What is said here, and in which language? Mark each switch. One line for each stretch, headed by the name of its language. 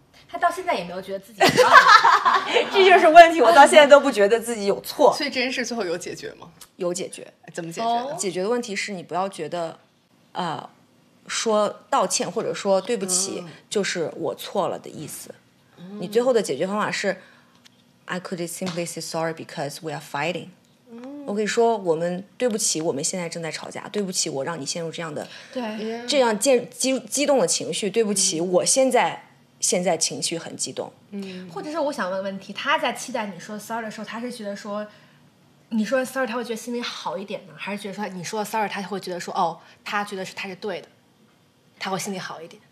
Chinese: 他到现在也没有觉得自己错。这就是问题，我到现在都不觉得自己有错。所以这件事最后有解决吗？有解决。怎么解决的？解决的问题是你不要觉得说道歉或者说对不起就是我错了的意思。你最后的解决方法是
English: I could simply say sorry because we are fighting。
Chinese: 我可以说我们对不起，我们现在正在吵架，对不起我让你陷入这样的对这样激动的情绪，对不起我现在情绪很激动。或者是我想问问题，他在期待你说 sorry 的时候，他是觉得说你说 sorry 他会觉得心里好一点呢，还是觉得说你说 sorry 他会觉得说哦他觉得是他是对的，他会心里好一点？